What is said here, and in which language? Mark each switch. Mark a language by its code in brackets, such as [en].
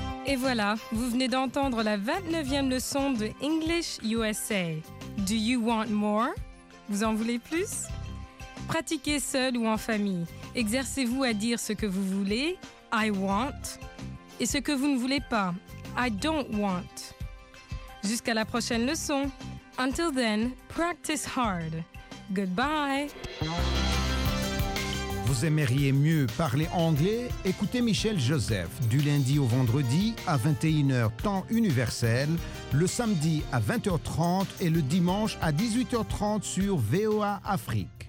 [fr] Et voilà, vous venez d'entendre la 29e leçon de English USA. [en] Do you want more? [fr] Vous en voulez plus? Pratiquez seul ou en famille. Exercez-vous à dire ce que vous voulez, [en] I want, [fr] et ce que vous ne voulez pas, [en] I don't want. [fr] Jusqu'à la prochaine leçon. [en] Until then, practice hard. Goodbye. [fr] Vous aimeriez mieux parler anglais? Écoutez Michel Joseph du lundi au vendredi à 21h temps universel, le samedi à 20h30 et le dimanche à 18h30 sur VOA Afrique.